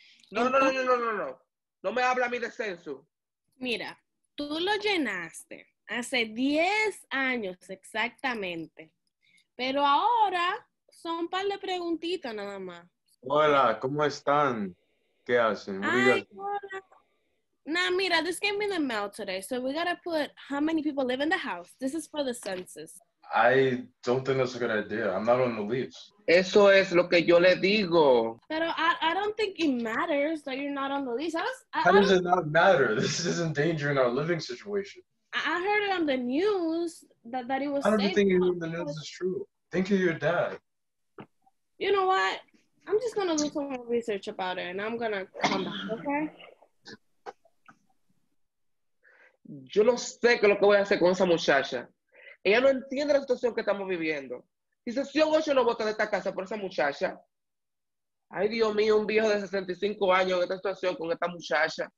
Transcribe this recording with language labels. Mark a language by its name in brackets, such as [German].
[Spanish] No. No me habla a mí de censo. Mira, tú lo llenaste hace 10 años exactamente. Pero ahora son un par de preguntitas nada más. Hola, ¿cómo están? ¿Qué hacen? Ay, hola. [English] Nah, mira, this came in the mail today, so we gotta put how many people live in the house. This is for the census. I don't think that's a good idea. I'm not on the list. [Spanish] Eso es lo que yo le digo. Pero [English] I don't think it matters that you're not on the list. How does it not matter? This is endangering our living situation. I heard it on the news that it was safe. I don't think it on the news is true. Think of your dad. You know what? I'm just gonna do some more research about it, and I'm gonna come back, okay? [Spanish] Yo no sé qué es lo que voy a hacer con esa muchacha. Ella no entiende la situación que estamos viviendo. Y si yo voy a no votar de esta casa por esa muchacha. Ay, Dios mío, un viejo de 65 años en esta situación con esta muchacha.